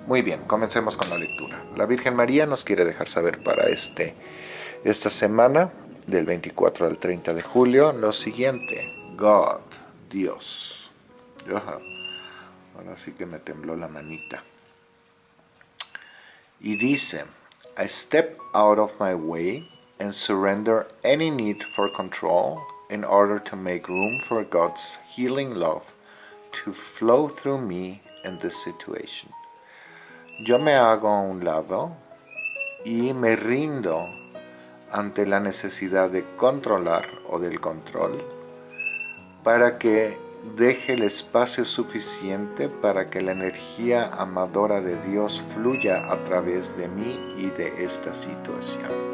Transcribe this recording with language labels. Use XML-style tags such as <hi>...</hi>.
<es>Muy bien, comencemos con la lectura. La Virgen María nos quiere dejar saber para esta semana del 24 al 30 de julio lo siguiente: God, Dios. Ajá. Ahora sí que me tembló la manita. Y dice:</es> <en>I step out of my way and surrender any need for control in order to make room for God's healing love to flow through me and this situation.</en> <es>Yo me hago a un lado y me rindo ante la necesidad de controlar o del control para que deje el espacio suficiente para que la energía amadora de Dios fluya a través de mí y de esta situación.</es>